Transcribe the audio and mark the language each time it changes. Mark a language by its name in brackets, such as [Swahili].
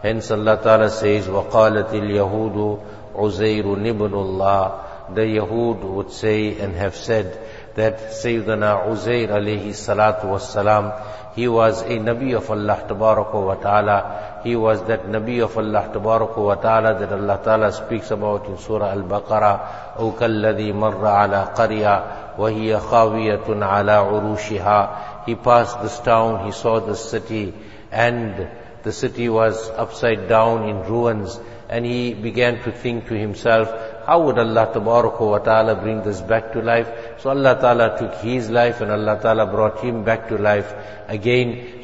[English] Hence Allah Ta'ala says, [Arabic] وَقَالَتِ الْيَهُودُ عُزَيْرٌ إِبْنُ اللَّهِ. [English] The Yahud would say and have said that Sayyidina Uzair alayhi salatu was salam, he was a Nabi of Allah tabaraka wa ta'ala. He was that Nabi of Allah tabaraka wa ta'ala that Allah ta'ala speaks about in Surah Al-Baqarah. [Arabic] أو كالذي مر على قرية وهي خاوية على عروشها. [English] He passed this town, he saw this city, and the city was upside down in ruins, and he began to think to himself, how would Allah tabaraka wa ta'ala bring this back to life? So Allah ta'ala took his life and Allah ta'ala brought him back to life again.